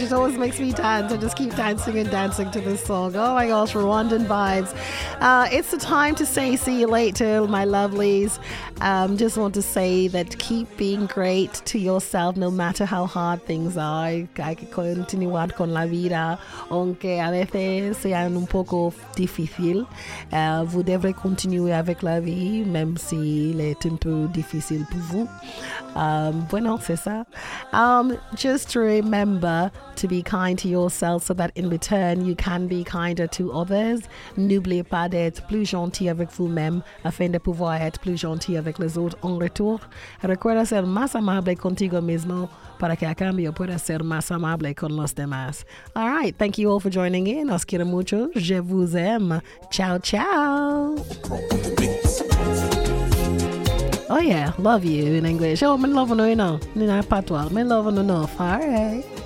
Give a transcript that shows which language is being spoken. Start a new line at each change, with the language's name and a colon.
English: It always makes me dance. I just keep dancing and dancing to this song. Oh my gosh, Rwandan vibes. It's the time to say see you later, my lovelies. Just want to say that keep being great to yourself no matter how hard things are.
Spanish: Hay que continuar con la vida, aunque a veces sea un poco difícil.
French: Vous devrez continuer avec la vie, même si elle est un peu difficile pour vous.
Spanish: Bueno,
French: c'est ça.
English: Just remember to be kind to yourself so that in return you can be kinder to others.
French: N'oubliez pas d'être plus gentil avec vous-même afin de pouvoir être plus gentil avec les autres en retour.
Spanish: Recuerda ser más amable contigo mismo para que a cambio pueda ser más amable con los demás.
English: All right, thank you all for joining in.
Spanish: Os quiero mucho.
French: Je vous aime.
Italian: Ciao, ciao.
English: Oh yeah, love you in English. Oh, me love no, no, ni na patwal. Me love no, no. All right.